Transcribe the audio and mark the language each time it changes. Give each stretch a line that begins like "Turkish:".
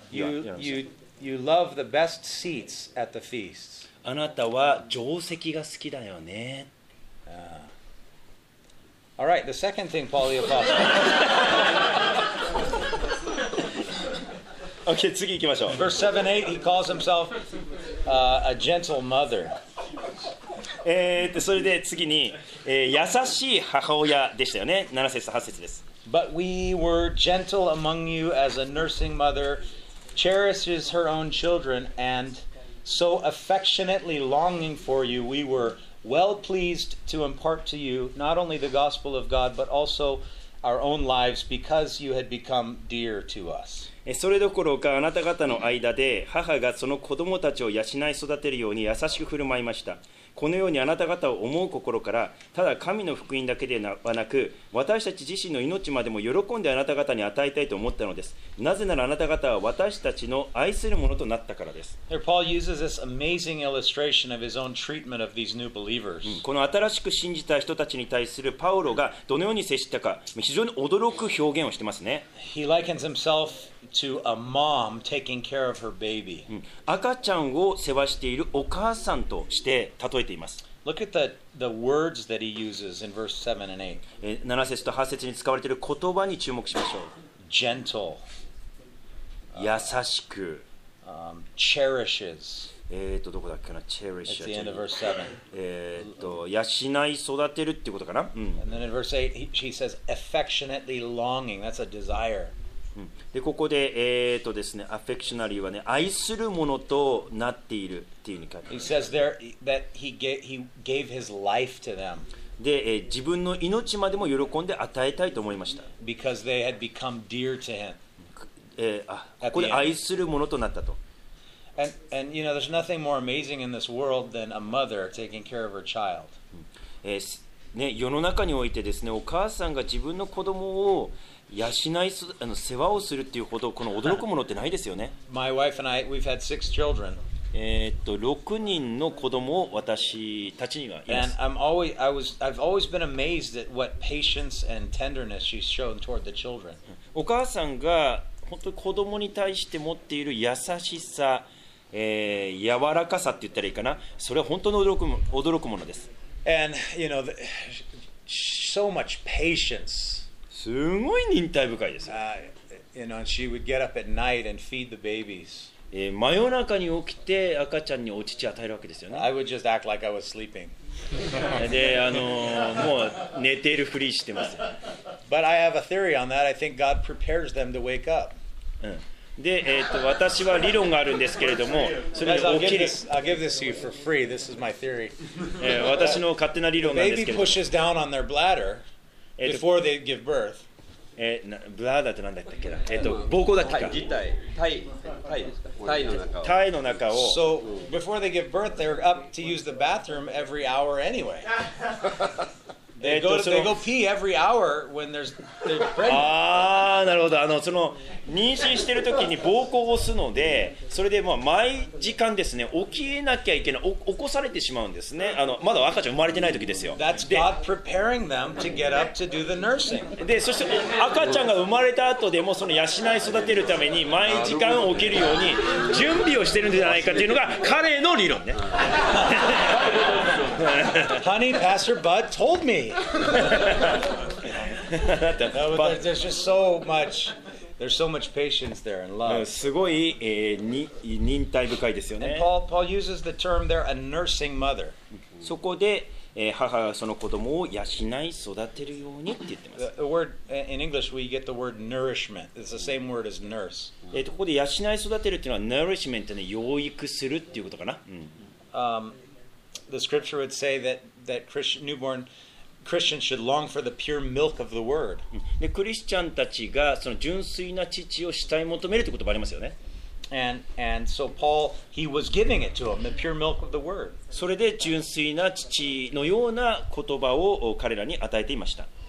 English: you love the best seats at the feasts.
Japanese: あなたは定席が好きだよね。
English: All right, the second thing Paul the Apostle.
Japanese: Okay, 次行きましょう。
English: Verse 7, 8, he calls himself a gentle mother.
Japanese: それで次に、優しい母親でしたよね。 7節と8節です。
English: But we were gentle among you as a nursing mother cherishes her own children and so affectionately longing for you, we were well pleased to impart to you not only the gospel of God but also our own lives because you had become dear to us.
Japanese: それどころかあなた方の間で母がその子供たちを養い育てるように優しく振る舞いました。このようにあなた方を思う心からただ神の福音だけではなく私たち自身の命までも喜んであなた方に与えたいと思ったのです。なぜならあなた方は私たちの愛するものとなったからです。
English: Here, Paul uses this amazing illustration of his own treatment of these new believers.
Japanese: この新しく信じた人たちに対するパウロがどのように接したか非常に驚く表現をしてますね。
English: He likens himself to a mom taking care of her baby.
Japanese: 赤ちゃんを世話しているお母さんとして例えています。
English: Look at the words that he uses in verse 7 and 8.
Japanese: 7節と8節に使われている言葉に注目しましょう。
English: Gentle.
Japanese: 優しく。
English: Cherishes.
Japanese: どこだっけかな。Cherish.
English: At the end of verse 7.
Japanese: 養い育てるっていうことかな。
English: And then in verse 8, she says affectionately longing. That's a desire.
Japanese: でここで、ですね、affectionally はね、愛するものとなっているっていうふうに書いてある。
English: He says there that he gave his life to them.
Japanese: で、自分の命までも喜んで与えたいと思いました。
English: Because they had become dear to him.
Japanese: ここで愛するものとなったと。
English: And you know, there's nothing more amazing in this world than a mother taking care of her child.
Japanese: ね、世の中においてですね、お母さんが自分の子供を養い世話をするっていうほどこの驚くものってないですよね。
English: My wife and I, we've had six children.
Japanese: 6人の子供を私たちにはいます。
English: And I've always been amazed at what patience and tenderness she's shown toward the children.
Japanese: お母さんが本当に子供に対して持っている優しさ、柔らかさって言ったらいいかな。それは本当に驚くものです。
English: And you know, so much patience.
Japanese: すごい忍耐深いです。
English: You know, she would get up at night and feed the babies.
Japanese: 真夜中に起きて赤ちゃんにお乳を与えるわけですよね。
English: I would just act like I was sleeping.
Japanese: で、もう寝てるふりしてます。
English: But I have a theory on that. I think God prepares them to wake up.
Japanese: で、私は理論があるんですけれども、それで起きる。
English: I'll give this to you for free. This is my theory.
Japanese: 私の勝手な理論なんですけど。
English: Baby pushes down on their bladder. Before they give birth.
Japanese: ブラーダーって何だったっけな、膀胱だっけか。胎、胎、胎ですか。胎の中を。
English: So, before they give birth, they're up to use the bathroom every hour anyway. they go pee every hour when they're pregnant.
Japanese: なるほど。妊娠してる時に膀胱を押すので、それで、毎時間ですね、起きなきゃいけない、起こされてしまうんですね。まだ赤ちゃん生まれてない時ですよ。
English: That's God preparing them to get up to do the nursing.
Japanese: で、そして赤ちゃんが生まれた後でも、その養い育てるために、毎時間起きるように準備をしてるんじゃないかっていうのが、彼の理論ね。
English: Honey, Pastor Bud told me. There's just so much. There's so much patience there and love.
Japanese: すごい、忍耐深いですよね。
English: And Paul uses the term there, a nursing mother.
Japanese: そこで、母がその子供を養い育てるようにって言ってます。
English: The word in English we get the word nourishment. It's the same word as nurse.
Japanese: ここで養い育てるっていうのは nourishment ね、養育するっていうことかな。
English: The scripture would say that Christian newborn. Christians should long for the pure milk of the word.
Japanese: で、クリスチャンたちがその純粋な乳を慕い求めるということもありますよね。
English: And so Paul, he was giving it to him, the pure milk of the word.
Japanese: それで純粋な乳のような言葉を彼らに与えていました。